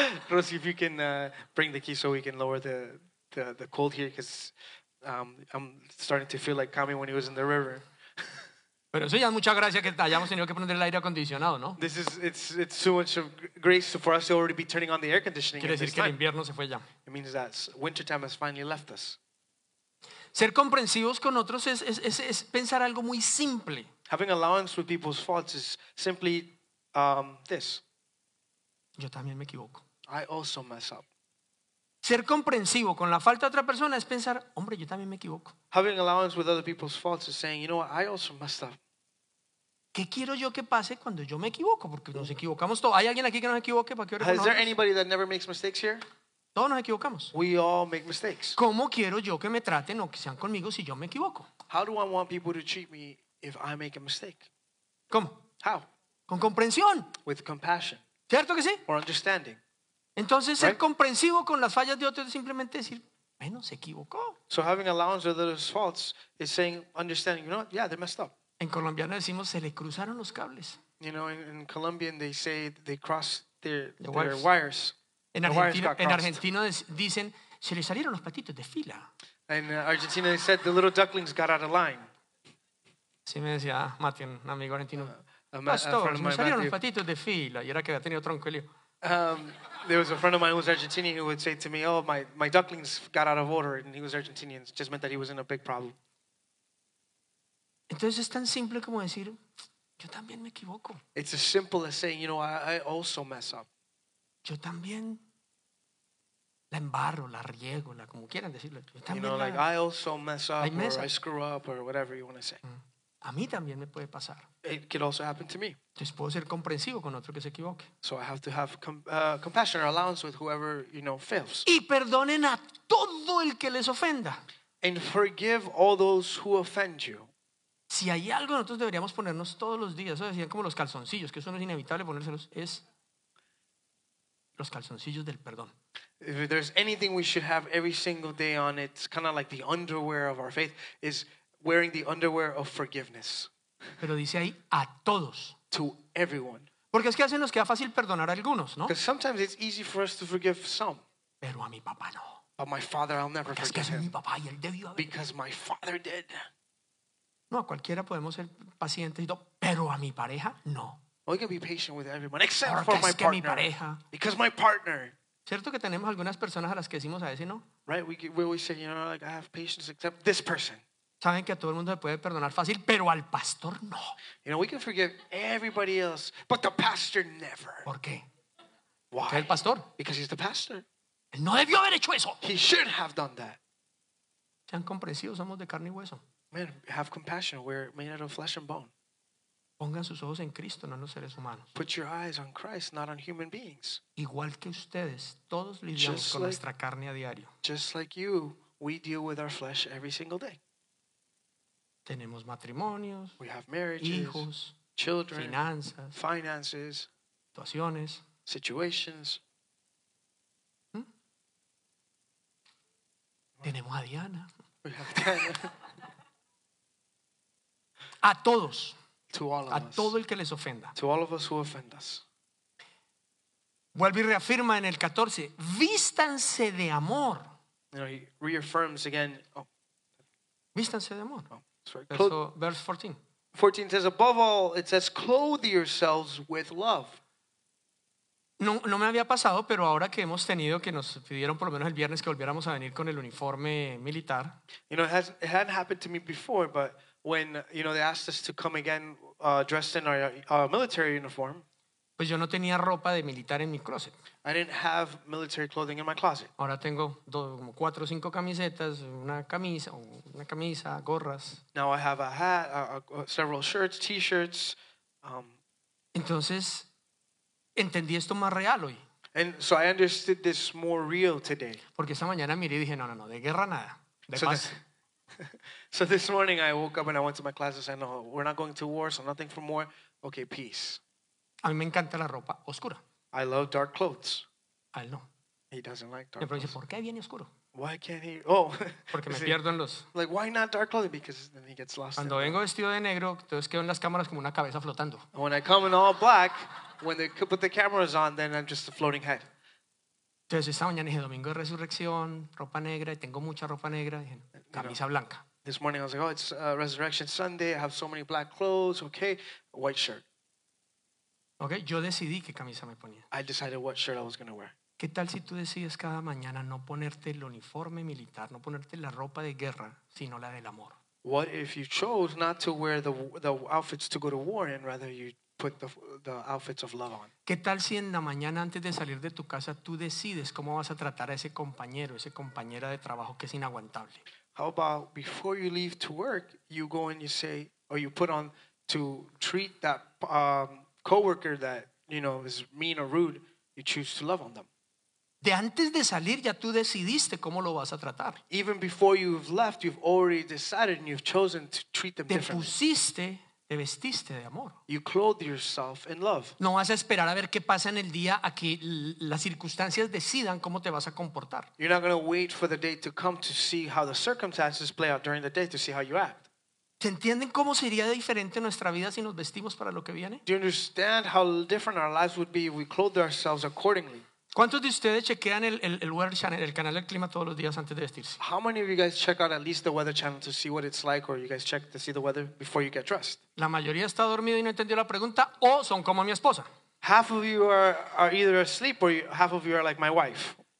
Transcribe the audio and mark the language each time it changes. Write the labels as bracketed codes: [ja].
[en] Rosy, if you can bring the key so we can lower the cold here, because I'm starting to feel like Cami when he was in the river. [es] Pero eso ya es mucha gracia que hayamos tenido que poner el aire acondicionado, ¿no? [en] This is it's too much of grace for us to already be turning on the air conditioning. [es] Quiere decir [en] this [es] que [en] time. [es] El invierno se fue ya. [en] It means that winter time has finally left us. [es] Ser comprensivos con otros es pensar algo muy simple. [en] Having allowance with people's faults is simply this. [es] Yo también me equivoco. [en] I also mess up. [es] Ser comprensivo con la falta de otra persona es pensar, hombre, yo también me equivoco. [en] Having allowance with other people's faults is saying, you know what, I also messed up. [es] ¿Qué quiero yo que pase cuando yo me equivoco? Porque nos equivocamos todos. ¿Hay alguien aquí que nos equivoque? ¿Para qué hora? [en] Is there anybody that never makes mistakes here? [es] Todos nos equivocamos. [en] We all make mistakes. [es] ¿Cómo quiero yo que me traten o que sean conmigo si yo me equivoco? [en] How do I want people to treat me if I make a mistake? [es] ¿Cómo? [en] How? [es] Con comprensión. [en] With compassion. [es] ¿Cierto que sí? [en] Or understanding. [es] Entonces, [en] right? [es] Ser comprensivo con las fallas de otros es simplemente decir, bueno, se equivocó. [en] So having allowance of those faults is saying, understanding, you know what? Yeah, they messed up. [es] En colombiano decimos, se le cruzaron los cables. [en] You know, in Colombian they say they crossed their wires. [es] En Argentina dicen, se le salieron los patitos de fila. [en] In Argentina they said, the little ducklings got out of line. [es] Sí me decía Mati, un amigo argentino. Pastor, se le salieron los patitos de fila. Y era que había tenido tronco y lío. [en] There was a friend of mine who was Argentinian who would say to me, oh, my ducklings got out of order. And he was Argentinian. It just meant that he was in a big problem. [es] Entonces es tan simple como decir, yo también me equivoco. [en] It's as simple as saying, you know, I also mess up. [es] Yo también la embarro, la riego, la como quieran decirlo. Yo también, [en] you know, like [es] la, [en] I also mess up, mess or up. I screw up or whatever you want to say. [es] A mí también me puede pasar. [en] It could also happen to me. [es] Entonces puedo ser comprensivo con otro que se equivoque. [en] So I have to have compassion or allowance with whoever, you know, fails. [es] Y perdonen a todo el que les ofenda. [en] And forgive all those who offend you. [es] Si hay algo nosotros deberíamos ponernos todos los días, eso decían como los calzoncillos, que eso no es inevitable ponérselos, es los calzoncillos del perdón. [en] If there's anything we should have every single day on, it's kind of like the underwear of our faith, is wearing the underwear of forgiveness. [es] Pero dice ahí, a todos. [en] To everyone. [es] Porque es que a veces nos queda fácil perdonar a algunos, ¿no? [en] Because sometimes it's easy for us to forgive some. [es] Pero a mi papá no. [en] But my father, I'll never [es] porque [en] forgive [es] es que [en] him. [es] Mi papá y él debió haber... [en] Because my father did. [es] No, a cualquiera podemos ser pacientes, pero a mi pareja, no. [en] We can be patient with everyone, except [es] porque [en] for my [es] es que [en] partner. [es] Mi pareja... [en] Because my partner. [es] ¿Cierto que tenemos algunas personas a las que decimos a veces no? [en] Right, we always say, you know, like, I have patience except this person. [es] Saben que a todo el mundo se puede perdonar fácil, pero al pastor no. [en] You know, we can forgive everybody else, but the pastor never. [es] ¿Por qué? [en] Why? [es] ¿Qué es el pastor? [en] Because he's the pastor. [es] Él no debió haber hecho eso. [en] He should have done that. [es] Sean comprensivos, somos de carne y hueso. [en] Man, have compassion. We're made out of flesh and bone. [es] Pongan sus ojos en Cristo, no en los seres humanos. [en] Put your eyes on Christ, not on human beings. [es] Igual que ustedes, todos lidiamos con nuestra carne a diario. [en] Just like you, we deal with our flesh every single day. [es] Tenemos matrimonios, [en] we have marriages, [es] hijos, [en] children, [es] finanzas, [en] finances, [es] situaciones, [en] situations. ¿Mm? [es] Tenemos a Diana. [en] We have Diana. [es] A todos. [en] To all of [es] a [en] us. [es] Todo el que les ofenda. [en] To all of us who offend us. [es] Vuelve y reafirma en el 14. Vístanse de amor. [en] You know, he reaffirms again. Oh. [es] Vístanse de amor. Oh. [en] Verse 14. 14 says, above all, it says, clothe yourselves with love. [es] No me había pasado, pero ahora que hemos tenido que nos pidieron por lo menos el viernes que volviéramos a venir con el uniforme militar. [en] You know, it hadn't happened to me before, but when, you know, they asked us to come again dressed in our military uniform. [es] Pues yo no tenía ropa de militar en mi closet. [en] I didn't have military clothing in my closet. [es] Ahora tengo como 4 o 5 camisetas, una camisa, gorras. [en] Now I have a hat, several shirts, t-shirts. [es] Entonces, entendí esto más real hoy. [en] And so I understood this more real today. [es] Porque esta mañana miré y dije, no, de guerra nada, de paz. [en] So this morning I woke up and I went to my class and said, no, we're not going to war, so nothing for more. Okay, peace. [es] A mí me encanta la ropa oscura. [en] I love dark clothes. [es] A él no. [en] He doesn't like dark clothes. [es] ¿Por qué viene oscuro? [en] Why can't he? Oh. [es] Porque me pierdo en los. [en] Like, why not dark clothing? Because then he gets lost. [es] Cuando vengo vestido de negro, entonces quedo en las cámaras como una cabeza flotando. [en] When I come in all black, when they put the cameras on, then I'm just a floating head. [es] Entonces esta mañana dije, domingo de resurrección, ropa negra, y tengo mucha ropa negra, dije, camisa blanca. [en] This morning I was like, oh, it's Resurrection Sunday, I have so many black clothes, okay, white shirt. [es] Okay, yo decidí qué camisa me ponía. [en] I decided what shirt I was going to wear. [es] ¿Qué tal si tú decides cada mañana no ponerte el uniforme militar, no ponerte la ropa de guerra, sino la del amor? [en] What if you chose not to wear the outfits to go to war and rather you put the outfits of love on? [es] ¿Qué tal si en la mañana antes de salir de tu casa tú decides cómo vas a tratar a ese compañero, esa compañera de trabajo que es inaguantable? [en] How about before you leave to work, you go and you say, or you put on to treat that coworker that, you know, is mean or rude, you choose to love on them. [es] De antes de salir ya tú decidiste cómo lo vas a tratar. [en] Even before you've left, you've already decided and you've chosen to treat them differently. [es] Te vestiste de amor. [en] You clothe yourself in love. [es] No vas a esperar a ver qué pasa en el día a que las circunstancias decidan cómo te vas a comportar. [en] You're not going to wait for the day to come to see how the circumstances play out during the day to see how you act. [es] ¿Se entienden cómo sería diferente nuestra vida si nos vestimos para lo que viene? [en] Do you understand how different our lives would be if we clothed ourselves accordingly? [es] ¿Cuántos de ustedes chequean el Weather Channel, el canal del clima todos los días antes de vestirse? [en] How many of you guys check out at least the Weather Channel to see what it's like, or you guys check to see the weather before you get dressed? [es] La mayoría está dormido y no entendió la pregunta, o son como mi esposa. [en] Half of you are either asleep or half of you are like my wife.